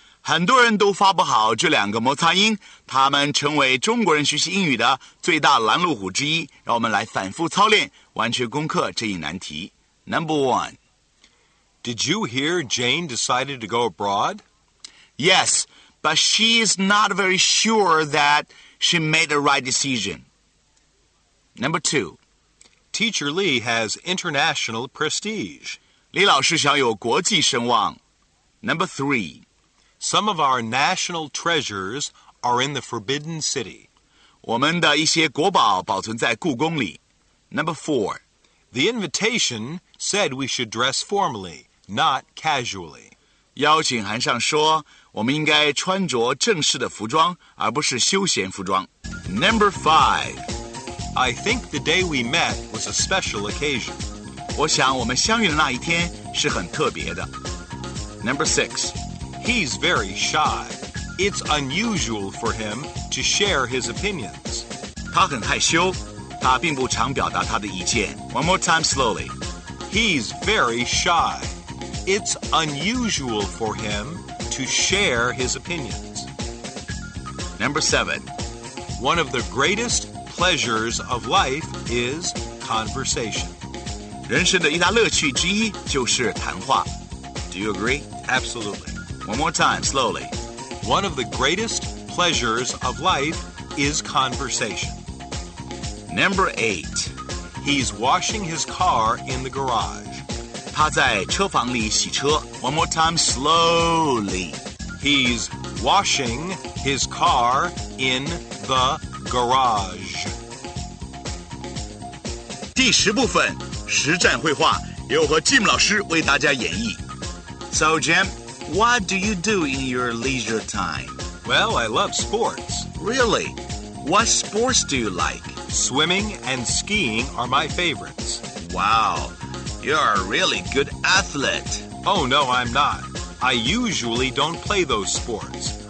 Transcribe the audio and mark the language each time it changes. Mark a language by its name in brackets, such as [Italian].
[Chinese] 很多人都发不好这两个摩擦音，他们成为中国人学习英语的最大拦路虎之一。让我们来反复操练，完全攻克这一难题。 [English] Number 1. Did you hear Jane decided to go abroad? Yes, but she's not very sure that she made the right decision. Number 2. Teacher Lee has international prestige. [Chinese] 李老师享有国际声望。 [English] Number 3. Some of our national treasures are in the Forbidden City. [Chinese] 我们的一些国宝保存在故宫里。 [English] Number 4. The invitation said we should dress formally, not casually. [Chinese] 邀请函上说，我们应该穿着正式的服装，而不是休闲服装。 [English] Number 5. I think the day we met was a special occasion. [Chinese] 我想我们相遇的那一天是很特别的。 [English] Number 6. He's very shy. It's unusual for him to share his opinions. [Chinese] 他很害羞，他并不常表达他的意见。 [English] One more time slowly. He's very shy. It's unusual for him to share his opinions. Number 7. One of the greatest pleasures of life is conversation. [Chinese] 人生的一大乐趣之一就是谈话。 [English] Do you agree? Absolutely. One more time, slowly. One of the greatest pleasures of life is conversation. Number 8. He's washing his car in the garage. [Chinese] 他在车房里洗车。 [English] One more time, slowly. He's washing his car in the garage. [Chinese] 第十部分，实战绘画，由和 Jim 老师为大家演绎。 [English] So, Jim... What do you do in your leisure time? Well, I love sports. Really? What sports do you like? Swimming and skiing are my favorites. Wow, you're a really good athlete. Oh, no, I'm not. I usually don't play those sports.